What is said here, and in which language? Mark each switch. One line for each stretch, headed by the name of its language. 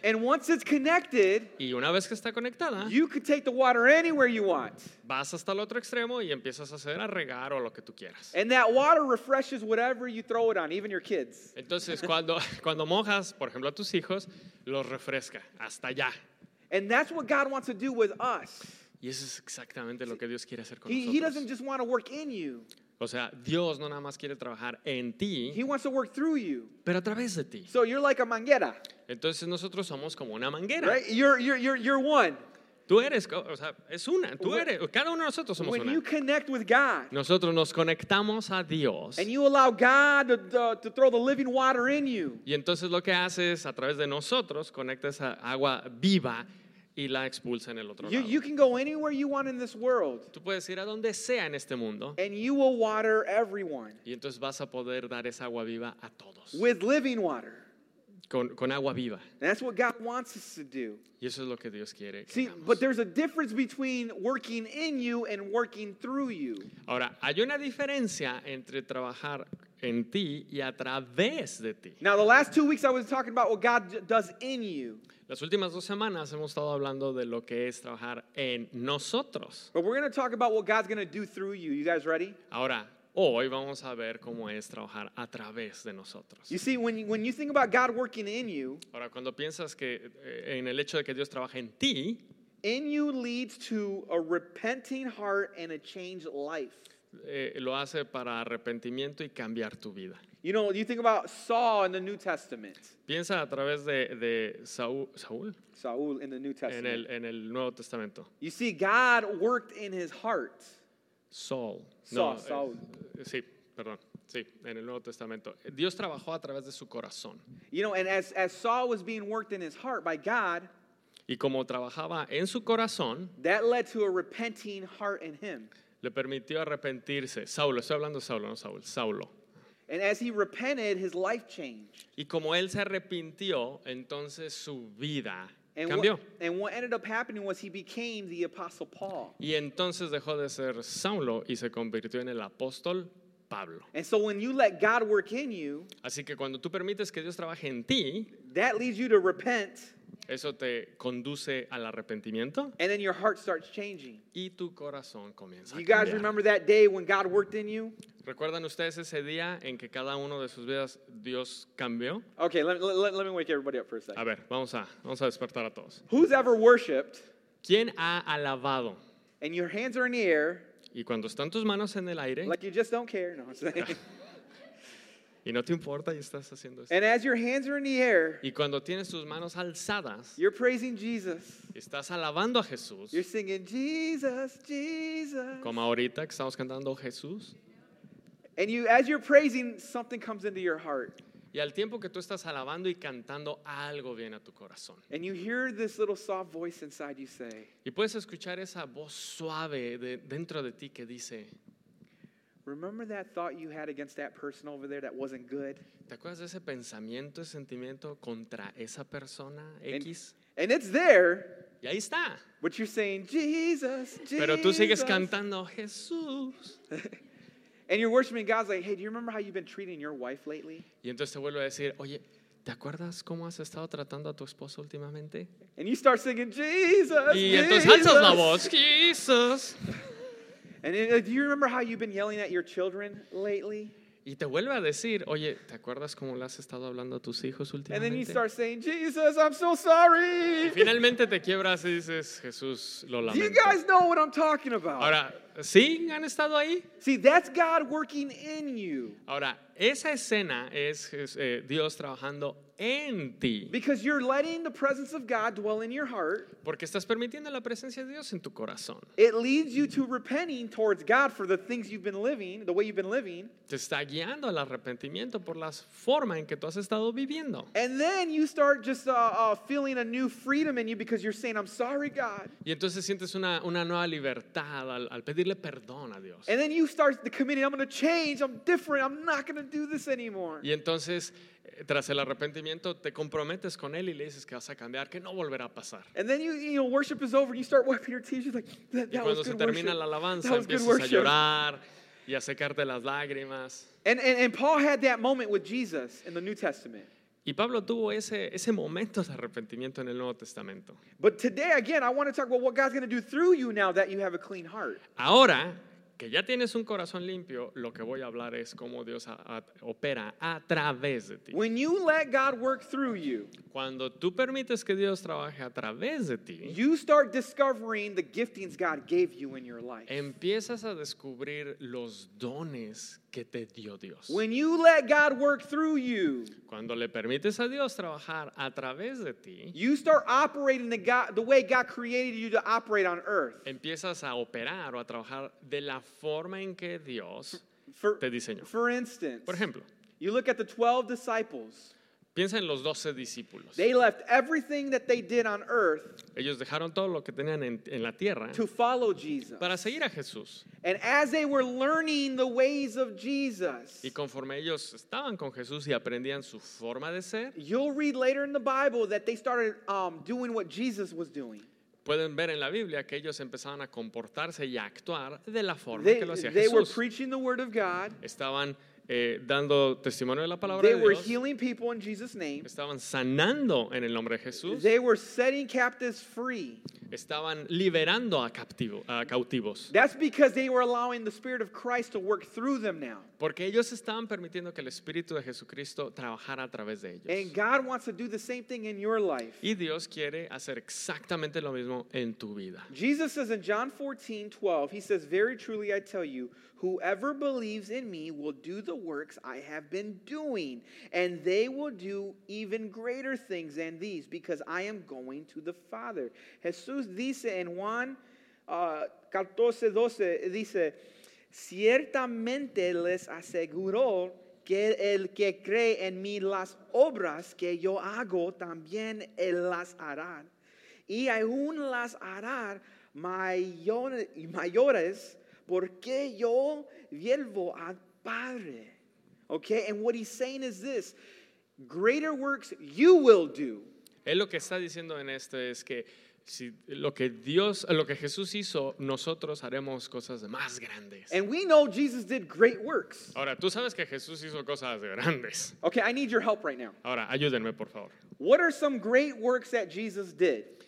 English: And once it's connected,
Spanish: y una vez que está conectada,
English: you could take the water anywhere you want.
Spanish: Vas hasta el otro extremo y empiezas a hacer a regar o lo que tú quieras.
English: And that water refreshes whatever you throw it on, even your kids.
Spanish: Entonces, cuando mojas, por ejemplo, a tus hijos, los refresca hasta allá.
English: And that's what God wants to do with us.
Spanish: Y eso es exactamente lo que Dios quiere hacer con nosotros.
English: He doesn't just want to work in you.
Spanish: O sea, Dios no nada más quiere trabajar en ti.
English: He wants to work through you.
Spanish: Pero a través de ti.
English: So you're like a manguera.
Spanish: Entonces nosotros somos como una manguera.
English: Right? You're one.
Spanish: Tú eres, o sea, es una. Tú eres. Cada uno de nosotros somos
English: when
Spanish: una.
English: You connect with God,
Spanish: nosotros nos conectamos a Dios.
English: And you allow God to throw the living water in you.
Spanish: Y entonces lo que haces a través de nosotros, conectas a agua viva. Y la expulsa en el otro lado.
English: You can go anywhere you want in this world.
Spanish: Tú puedes ir a donde sea en este mundo.
English: And you will water everyone.
Spanish: Y entonces vas a poder dar esa agua viva a todos.
English: With living water.
Spanish: Con agua viva.
English: And that's what God wants us to do.
Spanish: Y eso es lo que Dios quiere.
English: See, but there's a difference between working in you and working through you.
Spanish: Ahora, hay una diferencia entre trabajar en ti y a través de ti.
English: Now, the last 2 weeks I was talking about what God does in you.
Spanish: Las últimas dos semanas hemos estado hablando de lo que es trabajar en nosotros.
English: But we're going to talk about what God's going to do through you. You guys ready?
Spanish: Ahora, hoy vamos a ver cómo es trabajar a través de nosotros.
English: You see, when you think about God working in you,
Spanish: ahora, cuando piensas que en el hecho de que Dios trabaja en ti,
English: in you leads to a repenting heart and a changed life.
Spanish: lo hace para arrepentimiento y cambiar tu vida.
English: You know, you think about Saul in the New Testament.
Spanish: Piensa a través de Saúl.
English: Saúl in the New Testament.
Spanish: En el Nuevo Testamento.
English: You see, God worked in his heart.
Spanish: Saul. Sí, perdón. Sí, en el Nuevo Testamento. Dios trabajó a través de su corazón.
English: You know, and as Saul was being worked in his heart by God.
Spanish: Y como trabajaba en su corazón.
English: That led to a repenting heart in him.
Spanish: Le permitió arrepentirse. Saulo, estoy hablando de Saulo, no Saúl. Saulo.
English: And as he repented, his life changed.
Spanish: Y como él se arrepintió, entonces su vida cambió.
English: And what ended up happening was he became the Apostle Paul.
Spanish: Y entonces dejó de ser Saulo y se convirtió en el apóstol Pablo.
English: And so when you let God work in you,
Spanish: así que cuando tú permites que Dios trabaje en ti,
English: that leads you to repent.
Spanish: Eso te conduce al arrepentimiento.
English: And then your heart starts changing.
Spanish: Y tu corazón comienza
English: you
Spanish: a cambiar.
English: You guys remember that day when God worked in you?
Spanish: ¿Recuerdan ustedes ese día en que cada uno de sus vidas Dios cambió?
English: Okay, let me wake everybody up for a second.
Spanish: A ver, vamos a despertar a todos.
English: Who's ever worshipped?
Spanish: ¿Quién ha alabado?
English: And your hands are in the air.
Spanish: Y cuando están tus manos en el aire.
English: Like you just don't care, no, I'm saying.
Spanish: Y no te importa y estás haciendo esto.
English: And as your hands are in the air,
Spanish: y cuando tienes tus manos alzadas,
English: you're praising Jesus.
Spanish: Estás alabando a Jesús.
English: You're singing Jesus, Jesus.
Spanish: Como ahorita que estamos cantando Jesús.
English: And you, as you're praising, something comes into your heart.
Spanish: Y al tiempo que tú estás alabando y cantando, algo viene a tu corazón.
English: And you hear this little soft voice inside you say,
Spanish: y puedes escuchar esa voz suave dentro de ti que dice,
English: remember that thought you had against that person over there that wasn't good?
Spanish: ¿Te acuerdas de ese pensamiento, ese sentimiento contra esa persona X?
English: And it's there.
Spanish: Y ahí está.
English: But you're saying, Jesus, Jesus.
Spanish: Pero tú sigues cantando, Jesús.
English: And you're worshiping God's like, hey, do you remember how you've been treating your wife lately?
Spanish: Y entonces te vuelvo a decir, oye, ¿te acuerdas cómo has estado tratando a tu esposo últimamente?
English: And you start singing, Jesus,
Spanish: y entonces alzas la voz, Jesus.
English: And do you remember how you've been yelling at your children lately?
Spanish: Y te vuelve a decir, oye, ¿te acuerdas cómo le has estado hablando a tus hijos últimamente?
English: And then you start saying, Jesus, I'm so sorry.
Spanish: Y finalmente te quiebras y dices, Jesús, lo lamento.
English: Do you guys know what I'm talking about?
Spanish: Ahora, ¿sí han estado ahí?
English: See, that's God working in you.
Spanish: Ahora, esa escena es Dios trabajando en ti.
English: Because you're letting the presence of God dwell in your heart.
Spanish: Porque estás permitiendo la presencia de Dios en tu corazón.
English: It leads you to repenting towards God for the things you've been living, the way you've been living.
Spanish: Te está guiando al arrepentimiento por la forma en que tú has estado viviendo.
English: And then you start just feeling a new freedom in you because you're saying, I'm sorry, God.
Spanish: Y entonces sientes una nueva libertad al pedirle perdón a Dios.
English: And then you start the committing, I'm going to change, I'm different, I'm not going to do this anymore.
Spanish: Y entonces, tras el arrepentimiento, te comprometes con él y le dices que vas a cambiar, que no volverá a pasar.
English: And then you know, worship is over and you start wiping your tears. You're like, that
Spanish: y cuando
English: was
Spanish: se
English: good
Spanish: termina
English: worship.
Spanish: La alabanza, empiezas a llorar y a secarte las lágrimas.
English: And Paul had that moment with Jesus in the New Testament.
Spanish: Y Pablo tuvo ese momento de arrepentimiento en el Nuevo Testamento.
English: But today, again, I want to talk about what God's going to do through you now that you have a clean heart.
Spanish: Ahora, que ya tienes un corazón limpio, lo que voy a hablar es cómo Dios opera a través de ti.
English: When you let God work through you,
Spanish: cuando tú permites que Dios trabaje a través de ti,
English: you start discovering the giftings God gave you in your life.
Spanish: Empiezas a descubrir los dones que te dio Dios.
English: When you let God work through you,
Spanish: cuando le permites a Dios trabajar a través de ti,
English: you start operating the way God created you to operate on earth.
Spanish: Empiezas a operar o a trabajar de la forma en que Dios te diseñó.
English: For instance,
Spanish: por ejemplo,
English: you look at the 12 disciples.
Spanish: Piensa en los 12 discípulos.
English: They left everything that they did on earth.
Spanish: Ellos dejaron todo lo que tenían en la tierra.
English: To follow Jesus.
Spanish: Para seguir a Jesús.
English: And as they were learning the ways of Jesus.
Spanish: Y conforme ellos estaban con Jesús y aprendían su forma de ser.
English: You'll read later in the Bible that they started doing what Jesus was doing.
Spanish: Pueden ver en la Biblia que ellos empezaban a comportarse y a actuar de la forma que lo hacía Jesús.
English: They were preaching the word of God.
Spanish: Estaban dando testimonio de la palabra
English: they
Spanish: de
English: were
Spanish: Dios.
English: Healing people in Jesus' name.
Spanish: Estaban sanando en el nombre de Jesús.
English: They were setting captives free.
Spanish: Estaban liberando a cautivos.
English: That's because they were allowing the Spirit of Christ to work through them now.
Spanish: Porque ellos estaban permitiendo que el Espíritu de Jesucristo trabajara a través de ellos.
English: And God wants to do the same thing in your life.
Spanish: Y Dios quiere hacer exactamente lo mismo en tu vida.
English: Jesus says in John 14, 12, he says, "Very truly I tell you, whoever believes in me will do the works I have been doing, and they will do even greater things than these, because I am going to the Father."
Spanish: Jesús dice en Juan 14, 12, dice, "Ciertamente les aseguro que el que cree en mí las obras que yo hago también él las hará, y aún las hará mayores, porque yo vuelvo al Padre."
English: Okay, and what he's saying is this: greater works you will do.
Spanish: Él lo que está diciendo en esto es que si lo que Dios, lo que Jesús hizo, nosotros haremos cosas más grandes.
English: And we know Jesus did great works.
Spanish: Ahora, tú sabes que Jesús hizo cosas grandes.
English: Okay, I need your help right now.
Spanish: Ahora, ayúdenme, por favor.
English: What are some great works that Jesus did?